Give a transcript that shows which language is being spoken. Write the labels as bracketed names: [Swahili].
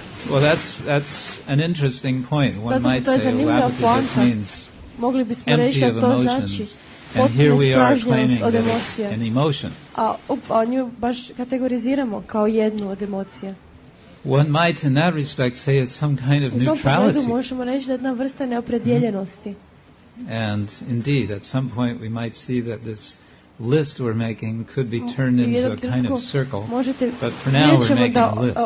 [English] Well, that's an interesting point. One might say, well, this means empty of emotions. And here we are claiming an emotion. [Croatian] A nju baš kategoriziramo kao jednu od emocija. [English] One might in that respect say it's some kind of neutrality. [Croatian] Možemo reći da je jedna vrsta neopredjeljenosti. [English] And indeed, at some point we might see that this list we're making could be turned into a kind of circle. [Croatian] Možete, [English] but for now we're making a list.